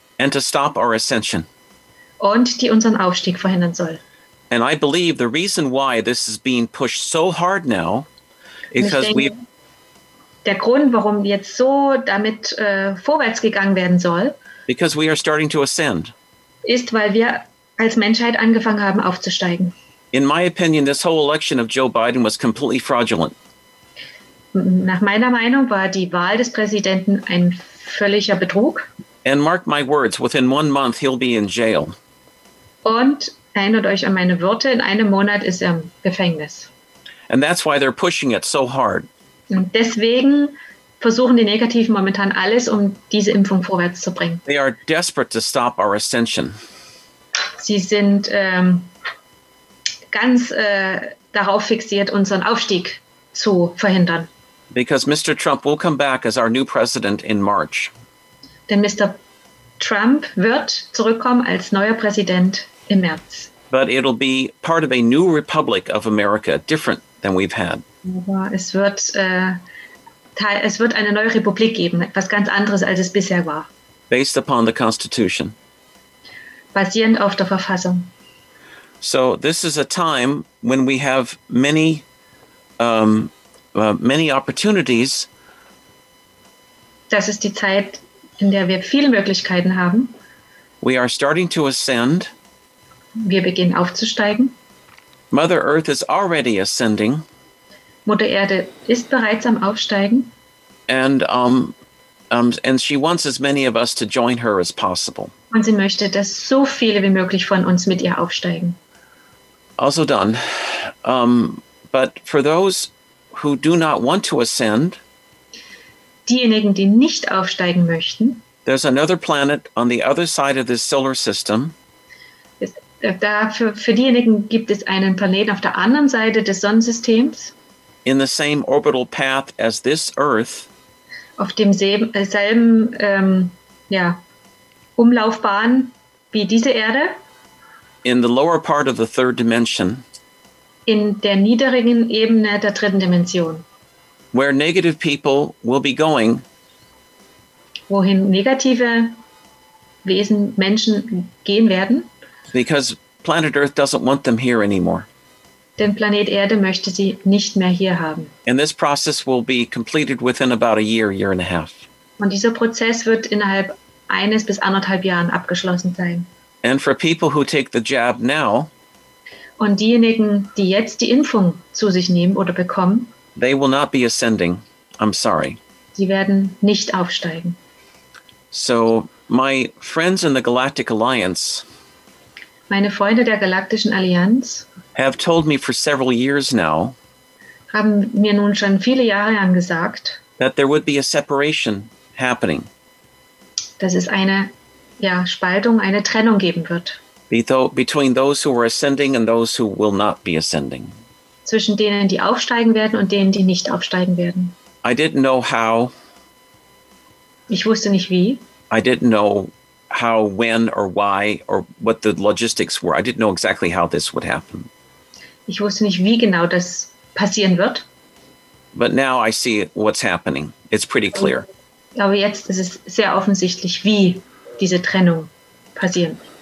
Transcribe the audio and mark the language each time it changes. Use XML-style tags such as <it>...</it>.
<en>And to stop our ascension.</en> <de>Und die unseren Aufstieg verhindern soll.</de> <en>And I believe the reason why this is being pushed so hard now Because</en> <de>ich denke, der Grund, warum jetzt so damit vorwärts gegangen werden soll,</de> <en>because we are starting to ascend,</en> <de>ist, weil wir als Menschheit angefangen haben aufzusteigen.</de> <en>In my opinion, this whole election of Joe Biden was completely fraudulent.</en> <de>Nach meiner Meinung war die Wahl des Präsidenten ein völliger Betrug.</de> <en>And mark my words, within 1 month he'll be in jail.</en> <de>Und erinnert euch an meine Worte, in einem Monat ist er im Gefängnis.</de> <en>And that's why they're pushing it so hard.</en> <de>Und deswegen versuchen die Negativen momentan alles, um diese Impfung vorwärts zu bringen.</de> <en>They are desperate to stop our ascension.</en> <de>Sie sind ganz darauf fixiert, unseren Aufstieg zu verhindern.</de> <en>Because Mr. Trump will come back as our new president in March.</en> <de>Denn Mr. Trump wird zurückkommen als neuer Präsident im März.</de> <en>But it'll be part of a new republic of America, different than we've had.</en> <de>Es wird eine neue Republik geben, etwas ganz anderes, als es bisher war.</de> <en>Based upon the Constitution.</en> <de>Basierend auf der Verfassung.</de> <en>So this is a time when we have many many opportunities.</en> <de>Das ist die Zeit, in der wir viele Möglichkeiten haben.</de> <en>We are starting to ascend.</en> <de>Wir beginnen aufzusteigen.</de> <en>Mother Earth is already ascending.</en> <de>Mutter Erde ist bereits am Aufsteigen.</de> <en>And she wants as many of us to join her as possible.</en> <de>Und sie möchte, dass so viele wie möglich von uns mit ihr aufsteigen.</de> <en>Also done. But for those who do not want to ascend,</en> <de>diejenigen, die nicht aufsteigen möchten,</de> <en>there's another planet on the other side of this solar system.</en> <de>Für diejenigen gibt es einen Planeten auf der anderen Seite des Sonnensystems.</de> <en>In the same orbital path as this Earth.</en> <de>Auf demselben Umlaufbahn wie diese Erde.</de> <en>In the lower part of the third dimension.</en> <de>In der niedrigen Ebene der dritten Dimension.</de> <en>Where negative people will be going.</en> <de>Wohin negative Wesen, Menschen gehen werden.</de> <en>Because planet Earth doesn't want them here anymore.</en> <de>Denn Planet Erde möchte sie nicht mehr hier haben.</de> <en>And this process will be completed within about a year, year and a half.</en> <de>Und dieser Prozess wird innerhalb eines bis anderthalb Jahren abgeschlossen sein.</de> <en>And for people who take the jab now,</en> <de>und diejenigen, die jetzt die Impfung zu sich nehmen oder bekommen,</de> <en>they will not be ascending. I'm sorry.</en> <de>Sie werden nicht aufsteigen.</de> <en>So, my friends in the Galactic Alliance,</en> <de>meine Freunde der Galaktischen Allianz,</de> <en>have told me for several years now,</en> <de>haben mir nun schon viele Jahre lang gesagt,</de> <en>that there would be a separation happening.</en> <de>Dass es eine Spaltung, eine Trennung geben wird.</de> <en>Between those who are ascending and those who will not be ascending.</en> <de>Zwischen denen, die aufsteigen werden und denen, die nicht aufsteigen werden.</de> <en>I didn't know how.</en> <de>Ich wusste nicht wie.</de> <en>I didn't know how, when or why or what the logistics were. I didn't know exactly how this would happen.</en> <de>Ich wusste nicht, wie genau das passieren wird.</de> <en>But now I see what's happening. It's pretty clear.</en> <de>Aber jetzt ist es sehr offensichtlich, wie diese Trennung passieren.</de>